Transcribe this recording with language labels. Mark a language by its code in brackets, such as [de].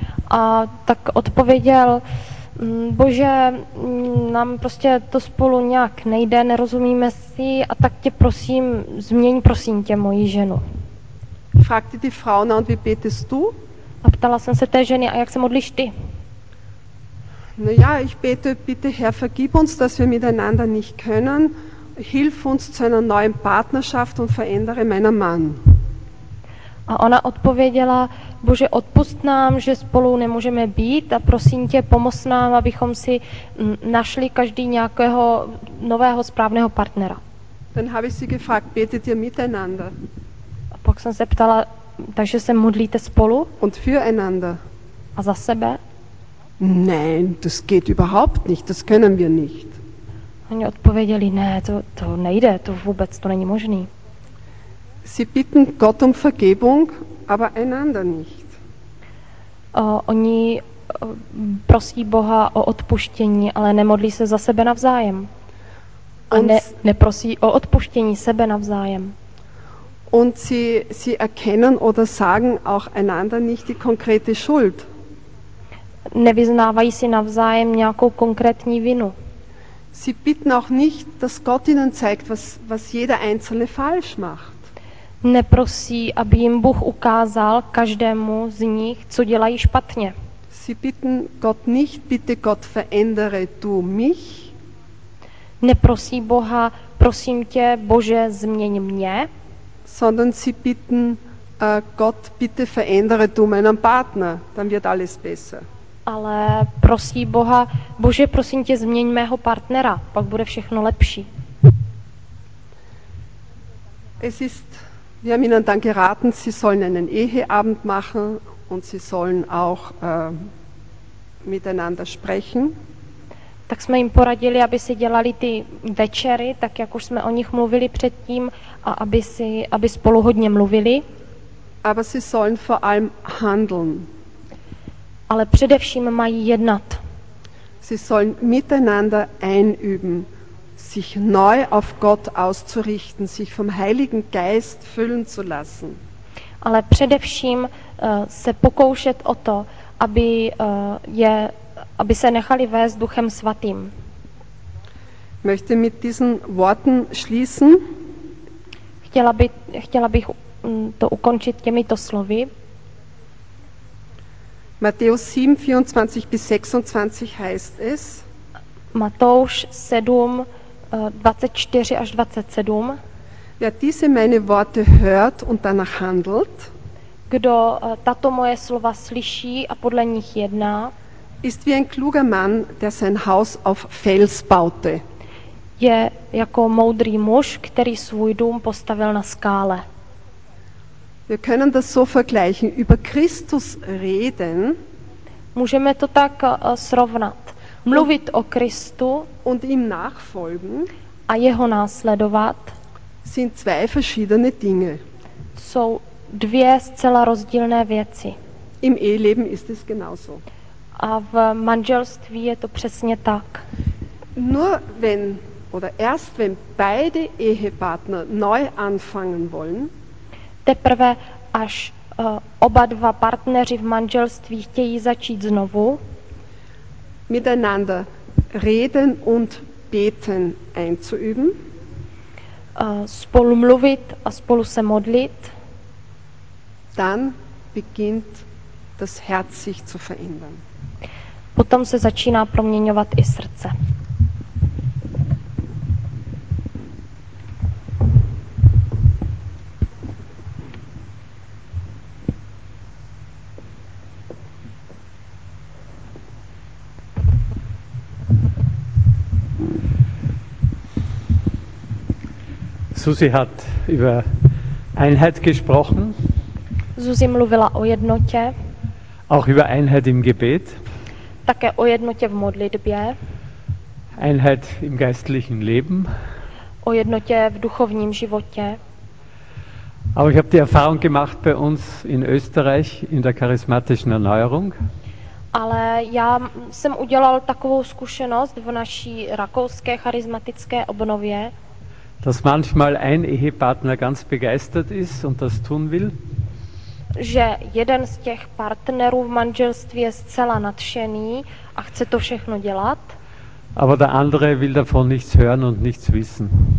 [cs] A tak odpověděl, Bože, nám prostě to spolu nějak nejde, nerozumíme si, a tak tě prosím, změň prosím tě moji ženu. [de] Fragte die Frau, na, und wie betest du? [cs] A ptala jsem se té ženy, a jak se modlíš ty? [de] Na ja, ich bete, bitte Herr, vergib uns, dass wir miteinander nicht können, hilf uns zu einer neuen Partnerschaft und verändere meinen Mann. [cs] A ona odpověděla, Bože, odpust nám, že spolu nemůžeme být a prosím tě, pomoz nám, abychom si našli každý nějakého nového správného partnera. [de] Dann habe ich sie gefragt, betet ihr miteinander? [cs] A pak jsem se ptala, takže se modlíte spolu? [de] Und füreinander. [cs] A za sebe? [de] Nein, das geht überhaupt nicht, das können wir nicht. [cs] Oni odpověděli, ne, to nejde, to vůbec, to není možný. [de] Sie bitten Gott um Vergebung, aber einander nicht. [cs] Oni prosí Boha o odpuštění, ale nemodlí se za sebe navzájem. Neprosí o odpuštění sebe navzájem. [de] Und sie erkennen oder sagen auch einander nicht die konkrete Schuld. [cs] Nevyznávají si navzájem nějakou konkrétní vinu. [de] Sie bitten auch nicht, dass Gott ihnen zeigt, was jeder einzelne falsch macht. [cs] Neprosí, aby jim Bůh ukázal každému z nich, co dělají špatně. [de] Sie bitten Gott nicht, bitte Gott verändere du mich. [cs] Neprosí Boha, prosím tě, Bože, změň mě. [de] Sondern sie bitten Gott, bitte verändere du meinen Partner, dann wird alles besser. [cs] Ale prosí Boha, Bože, prosím tě, změň mého partnera, pak bude všechno lepší. [de] Es ist, wir haben ihnen dann geraten, sie sollen einen Eheabend machen und sie sollen auch miteinander sprechen. [cs] Tak jsme jim poradili, aby si dělali ty večery, tak jak už jsme o nich mluvili předtím, a aby spolu hodně mluvili. [de] Aber sie sollen vor allem handeln. [cs] Ale především mají jednat. [de] Sie sollen miteinander einüben, sich neu auf Gott auszurichten, sich vom Heiligen Geist füllen zu lassen. [cs] Ale především se pokoušet o to, aby se nechali vést Duchem Svatým. [de] Möchte mit diesen Worten schließen? [cs] Chtěla bych to ukončit těmito slovy. [de] Matthäus 7:24 bis 26 heißt es. [cs] Matouš 7:24 až 27. [de] Wer diese meine Worte hört und danach handelt, [cs] kdo tato moje slova slyší a podle nich jedná, [de] ist wie ein kluger Mann, der sein Haus auf Fels baute. [cs] Je jako moudrý muž, který svůj dům postavil na skále. [de] Wir können das so vergleichen, über Christus reden. [cs] Můžeme to tak srovnat. Mluvit o Kristu [de] und ihm nachfolgen, [cs] a jeho následovat, [de] sind zwei verschiedene Dinge. [cs] Jsou dvě zcela rozdílné věci. [de] Im Eheleben ist es genauso. [cs] A v manželství je to přesně tak. [de] Nur wenn oder erst wenn beide Ehepartner neu anfangen wollen, [cs] teprve až oba dva partneři v manželství chtějí začít znovu, [de] miteinander reden und beten einzuüben, [cs] spolu mluvit a spolu se modlit, [de] dann beginnt das Herz sich zu verändern. [cs] Potom se začíná proměňovat i srdce. [de] Susi hat über Einheit gesprochen. [cs] Susi mluvila o jednotě. [de] Auch über Einheit im Gebet. [cs] Také o jednotě v modlitbě. [de] Einheit im geistlichen Leben. [cs] O jednotě v duchovním životě. [de] Aber ich habe die Erfahrung gemacht bei uns in Österreich in der charismatischen Erneuerung. [cs] Ale já jsem udělal takovou zkušenost v naší rakouské charismatické obnově. [de] Dass manchmal ein Ehepartner ganz begeistert ist und das tun will. [cs] Že jeden z těch partnerů v manželství je zcela nadšený a chce to všechno dělat. [de] Aber der andere will davon nichts hören und nichts wissen.